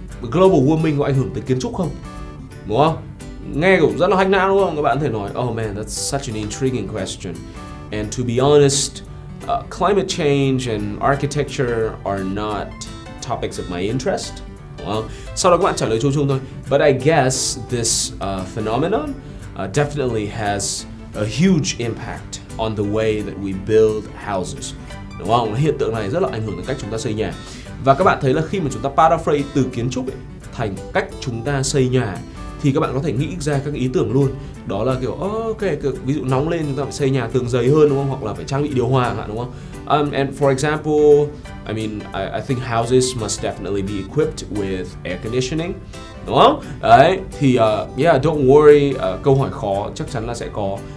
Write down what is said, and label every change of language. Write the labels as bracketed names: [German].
[Vietnamese] Global warming có ảnh hưởng tới kiến trúc không? Đúng không? Nghe cũng rất là hành não, đúng không? Các bạn có thể nói [English] oh man, that's such an intriguing question. And to be honest, climate change and architecture are not topics of my interest. [Vietnamese] Well, sau đó các bạn trả lời chung chung thôi. [English] But I guess this phenomenon definitely has a huge impact on the way that we build houses. [Vietnamese] Đúng không? Hiện tượng này rất là ảnh hưởng đến cách chúng ta xây nhà. Và các bạn thấy là khi mà chúng ta paraphrase từ kiến trúc ấy, thành cách chúng ta xây nhà, thì các bạn có thể nghĩ ra các ý tưởng luôn. Đó là kiểu ok, ví dụ nóng lên chúng ta phải xây nhà tường dày hơn, đúng không? Hoặc là phải trang bị điều hòa chẳng hạn, đúng không? [English] And for example, I mean, I think houses must definitely be equipped with air conditioning, [Vietnamese] đúng không? Đấy, thì [English] yeah, don't worry, [Vietnamese] câu hỏi khó chắc chắn là sẽ có.